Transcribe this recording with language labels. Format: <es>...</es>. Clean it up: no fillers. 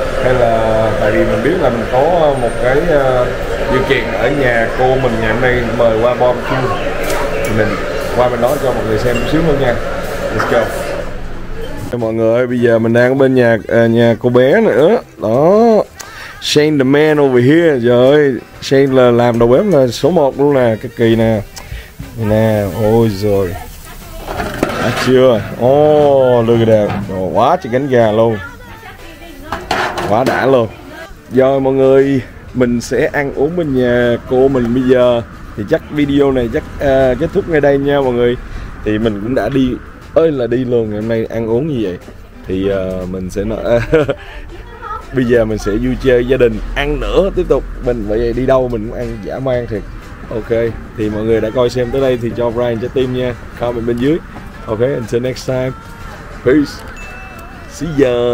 <vi>Hay là tại vì mình biết là mình có một cái điều kiện ở nhà cô mình ngày hôm nay mời qua bom chung. Thì mình qua bên đó cho mọi người xem một xíu luôn nha.</vi> <en>Let's go.</en> <vi>Mọi người ơi, bây giờ mình đang ở bên nhà cô bé nữa.</vi> <en>Đó, Shane the man over here.</en> <vi>Trời ơi, Shane là làm đầu bếp là số 1 luôn nè, cái kỳ nè. Nè, ôi giời. Đã chưa?</vi> <en>Oh, look at that.</en> <vi>Rồi, quá trời cánh gà luôn. Quá đã luôn. Rồi mọi người, mình sẽ ăn uống bên nhà cô mình bây giờ. Thì chắc video này chắc kết thúc ngay đây nha mọi người. Thì mình cũng đã đi ơi là đi luôn ngày hôm nay ăn uống như vậy thì mình sẽ nói bây giờ mình sẽ vui chơi gia đình ăn nữa tiếp tục mình vậy đi đâu mình cũng ăn dã man thiệt. Ok, thì mọi người đã coi xem tới đây thì cho Brian trái tim nha, comment bên dưới.</vi> <en>Ok, until next time, peace, see ya.</en>